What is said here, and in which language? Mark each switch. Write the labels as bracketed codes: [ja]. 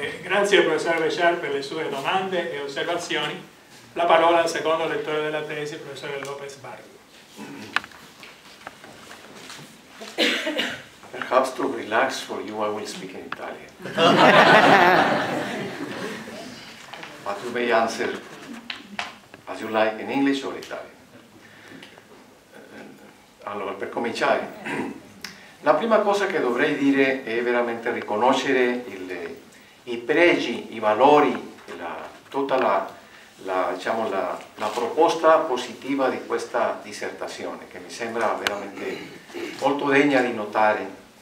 [it] Grazie professor Bechard per le sue domande e osservazioni. La parola al secondo lettore della tesi, professor Lopez Barrio. [en] Perhaps to relax for you, I will speak in Italian. But you may answer as you like in English or Italian. [it] Allora, per cominciare, la prima cosa che dovrei dire è veramente riconoscere i pregi, I valori, la proposta positiva di questa dissertazione, che mi sembra veramente molto degna di notare.